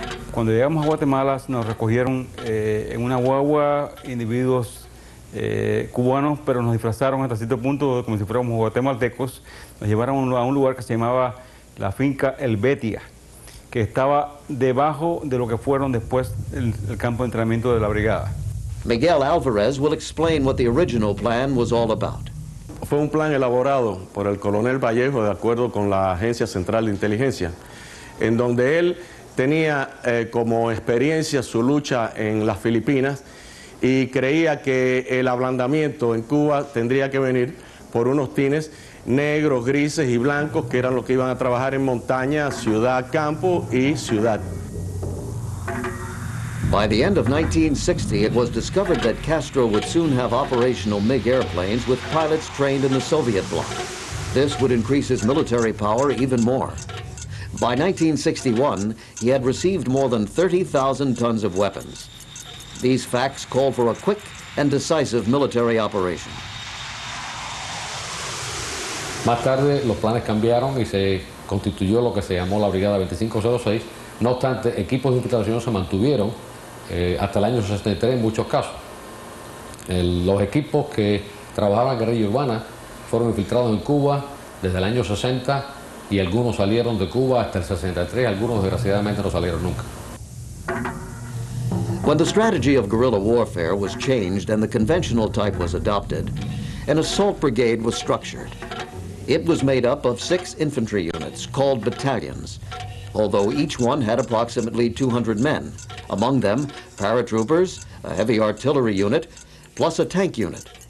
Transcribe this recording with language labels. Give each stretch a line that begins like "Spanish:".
Spanish: Cuando llegamos a Guatemala, nos recogieron en una guagua individuos cubanos, pero nos disfrazaron hasta cierto punto como si fuéramos guatemaltecos. Nos llevaron a un lugar que se llamaba la finca Helvetia, que estaba debajo de lo que fueron después el campo de entrenamiento de la brigada.
English: Miguel Alvarez will explain what the original plan was all about.
Spanish: Fue un plan elaborado por el coronel Vallejo de acuerdo con la Agencia Central de Inteligencia, en donde él tenía como experiencia su lucha en las Filipinas y creía que el ablandamiento en Cuba tendría que venir por unos tines negros, grises y blancos que eran los que iban a trabajar en montaña, ciudad, campo y ciudad.
English: By the end of 1960, it was discovered that Castro would soon have operational MiG airplanes with pilots trained in the Soviet bloc. This would increase his military power even more. By 1961, he had received more than 30,000 tons of weapons. These facts call for a quick and decisive military operation.
Spanish: Más tarde, los planes cambiaron y se constituyó lo que se llamó la Brigada 2506. No obstante, equipos de infiltración se mantuvieron hasta el año 63 en muchos casos. Los equipos que trabajaban en guerrilla urbana fueron infiltrados en Cuba desde el año 60 y algunos salieron de Cuba hasta el 63, algunos desgraciadamente no salieron nunca.
English: When the strategy of guerrilla warfare was changed and the conventional type was adopted, an assault brigade was structured. It was made up of 6 infantry units called battalions, although each one had approximately 200 men, among them paratroopers, a heavy artillery unit, plus a tank unit.